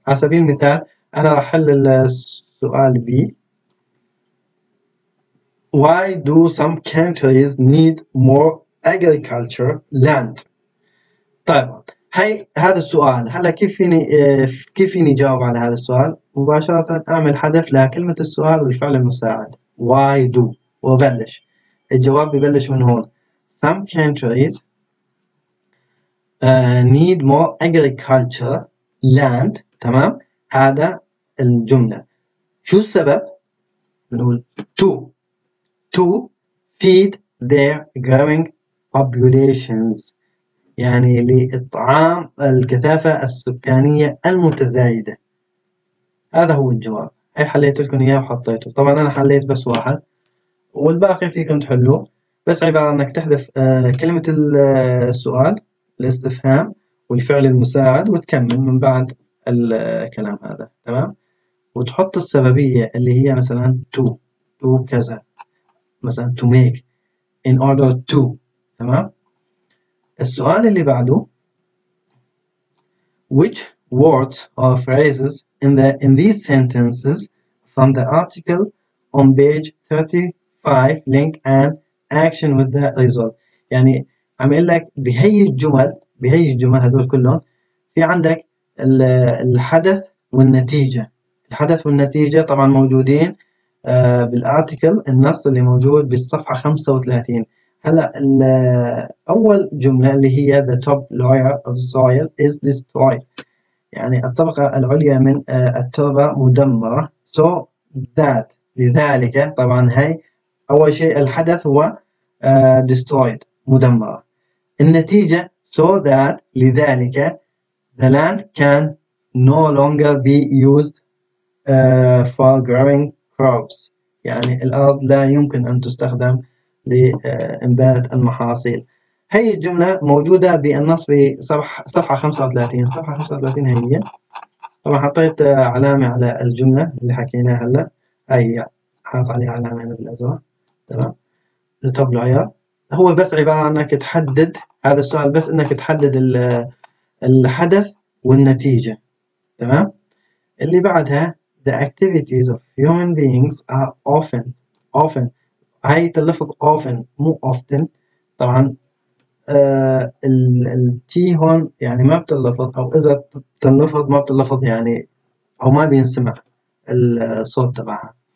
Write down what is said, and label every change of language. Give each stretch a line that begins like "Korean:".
Arabic: على سبيل المثال أنا راح أحل السؤال ب
English: Why do some countries need more agriculture land؟
Arabic: طيب هاي هذا السؤال، هلا كيف فيني جاوب على هذا السؤال؟ مباشرة أعمل حذف لكلمة السؤال والفعل المساعد why do، وبلش الجواب ببلش من هون.
English: Some countries need more agriculture land.
Arabic: تمام، هذا الجملة. شو السبب؟ نقول
English: to feed their growing populations،
Arabic: يعني لإطعام الكثافة السكانية المتزايدة. هذا هو الجواب. هاي حليت لكم إياه وحطيته. طبعا أنا حليت بس واحد والباقي فيكم تحلوه، بس عبارة أنك تحذف كلمة السؤال الاستفهام والفعل المساعد وتكمل من بعد الكلام هذا. تمام، وتحط السببية اللي هي مثلا to كذا، مثلا
English: to make in order to.
Arabic: تمام، السؤال اللي بعده.
English: Which words or phrases in these sentences from the article on page 35 link and action with the result.
Arabic: يعني عم يقول لك بهي الجمل، بهي الجمل هذول كلهم في عندك الحدث والنتيجة. الحدث والنتيجة طبعا موجودين بالارتيكل، النص اللي موجود بالصفحة 35. هلا اول جملة اللي هي
English: the top layer of soil is destroyed،
Arabic: يعني الطبقة العليا من التربة مدمرة. so that، لذلك طبعا هاي اول شيء الحدث هو destroyed مدمرة.
English: النتيجة so that، لذلك the land can no longer be used for growing crops،
Arabic: يعني الأرض لا يمكن أن تستخدم لإنبات المحاصيل. هي الجملة موجودة بالنص بصفحة 35. صفحة 35 هي طبعا حطيت علامة على الجملة اللي حكيناها هلا، هي حاط عليها علامة بالأزرق. تمام،
English: the top layer
Arabic: هو بس عبارة أنك تحدد هذا السؤال، بس أنك تحدد الحدث والنتيجة. تمام، اللي بعدها
English: the activities of human beings are often
Arabic: هاي تلفق
English: often مو often.
Arabic: طبعا التي هون يعني ما بتلفظ، او اذا تلفظ ما بتلفظ يعني، او ما بينسمع الصوت تبعها.